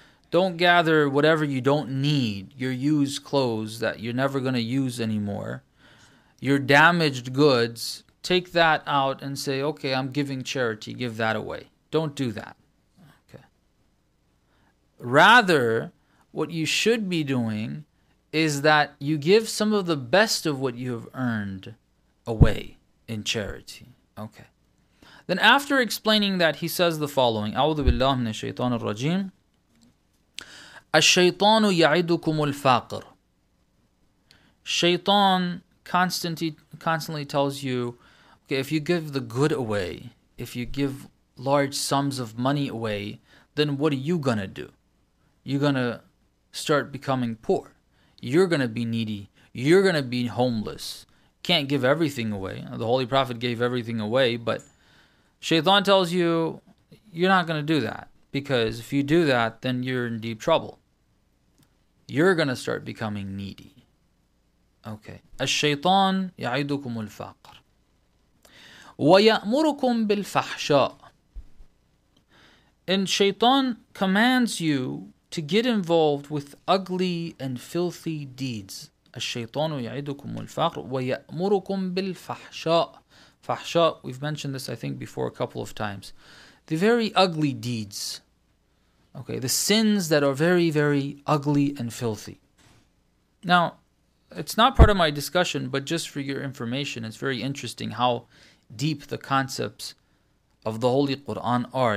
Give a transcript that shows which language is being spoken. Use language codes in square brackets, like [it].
[en] Don't gather whatever you don't need, your used clothes that you're never going to use anymore, your damaged goods, take that out and say, okay, I'm giving charity, give that away. Don't do that. Okay. Rather, what you should be doing is that you give some of the best of what you have earned away in charity. Okay. Then after explaining that, he says the following. [ar] أعوذ بالله من الشيطان الرجيم. الشيطان يعدكم الفقر. [en] Shaitan constantly tells you, okay, if you give the good away, if you give large sums of money away, then what are you going to do? You're going to start becoming poor. You're going to be needy. You're going to be homeless. Can't give everything away. The Holy Prophet gave everything away, but Shaitan tells you, you're not going to do that, because if you do that, then you're in deep trouble. You're going to start becoming needy. Okay. [ar] الشيطان يعيدكم الفقر ويأمركم بالفحشاء. [en] And Shaitan commands you to get involved with ugly and filthy deeds. [ar] الشيطانُ يعدكم الفقر ويأمركم بالفحشاء. [en] فحشاء, we've mentioned this, I think, before a couple of times. The very ugly deeds. Okay, the sins that are very, very ugly and filthy. Now, it's not part of my discussion, but just for your information, it's very interesting how deep the concepts of the Holy Quran are.